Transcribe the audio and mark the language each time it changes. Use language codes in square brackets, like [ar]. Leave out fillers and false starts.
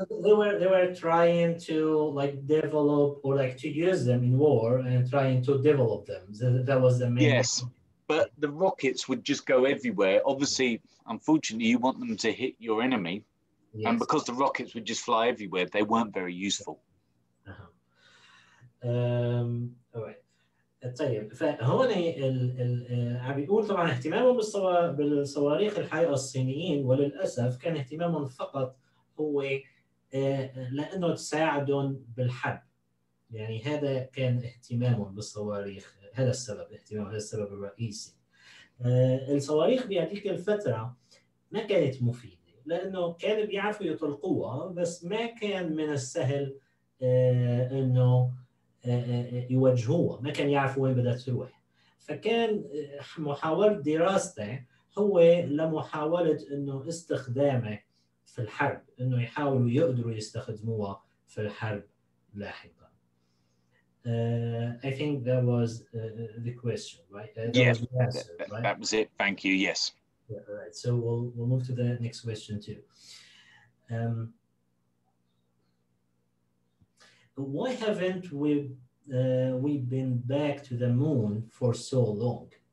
[en] So they were trying to like develop or like to use them in war and trying to develop them. That was the main. Yes, but the rockets would just go everywhere. Obviously, unfortunately, you want them to hit your enemy. Yes. And because the rockets would just fly everywhere, they weren't very useful. All right. [ar] طيب فهون عم بيقول طبعا اهتمامهم بالصواريخ الحقيقه الصينيين وللاسف كان اهتمامهم فقط هو لانه تساعدهم بالحرب، يعني هذا كان اهتمامهم بالصواريخ، هذا السبب اهتمام، هذا السبب الرئيسي. الصواريخ بهذيك الفتره ما كانت مفيده لانه كانوا بيعرفوا يطلقوها بس ما كان من السهل انه يوجهوها، ما كان يعرف وين بدها تروح. فكان محاولة دراسته هو لمحاولة انه استخدامه في الحرب، انه يحاولوا يقدروا يستخدموها في الحرب لاحقا. [en] I think that was the question, right? Yes, yeah, that was it. Thank you. Yes. Yeah, right. So we'll move to the next question too. Why haven't we been back to the moon for so long?